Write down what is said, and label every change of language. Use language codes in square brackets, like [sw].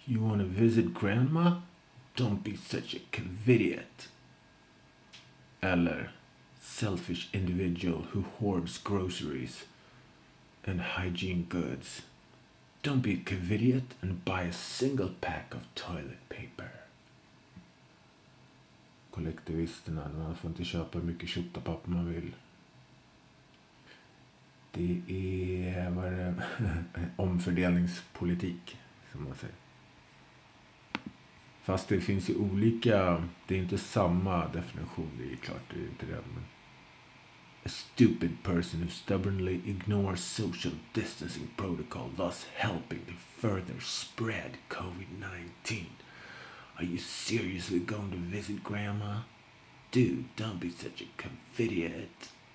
[en] You want to visit grandma? Don't be such a covidiot. Eller. Selfish individual who hoards groceries and hygiene goods. Don't be a covidiot and buy a single pack of toilet paper. [sv] Kollektivisterna, man får inte köpa mycket tjota papper man vill. Det är vad det är, omfördelningspolitik som man säger. Fast det finns ju olika, det är inte samma definition, det är klart det är inte det. [en] Men a stupid person who stubbornly ignores social distancing protocol, thus helping to further spread COVID-19. Are you seriously going to visit grandma? Dude, don't be such a covidiot.